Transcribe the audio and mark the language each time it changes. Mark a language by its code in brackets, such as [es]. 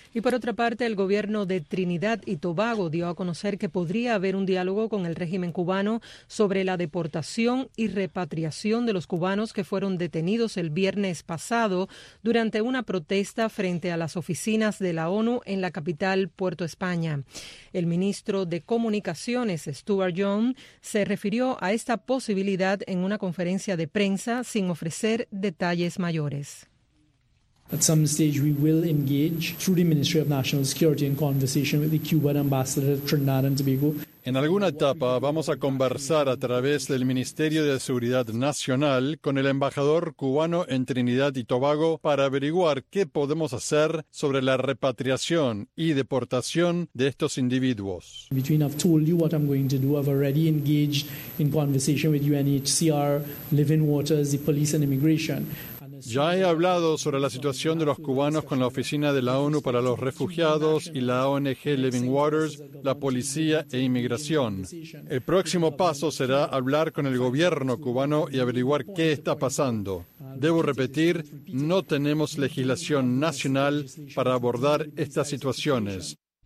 [es] Y por otra parte, el gobierno de Trinidad y Tobago dio a conocer que podría haber un diálogo con el régimen cubano sobre la deportación y repatriación de los cubanos que fueron detenidos el viernes pasado durante una protesta frente a las oficinas de la ONU en la capital, Puerto España. El ministro de Comunicaciones, Stuart Young, se refirió a esta posibilidad en una conferencia de prensa sin ofrecer detalles mayores. [en] At some stage, we will engage through the Ministry of National Security in conversation with the Cuban ambassador to Trinidad and Tobago. [es] En alguna etapa vamos a conversar a través del Ministerio de Seguridad Nacional con el embajador cubano en Trinidad y Tobago para averiguar qué podemos hacer sobre la repatriación y deportación de estos individuos. [en] Between I've told you what I'm going to do, I've already engaged in conversation with UNHCR, Living Waters, the Police and Immigration. [es] Ya he hablado sobre la situación de los cubanos con la Oficina de la ONU para los Refugiados y la ONG Living Waters, la Policía e Inmigración. El próximo paso será hablar con el gobierno cubano y averiguar qué está pasando. Debo repetir, no tenemos legislación nacional para abordar estas situaciones.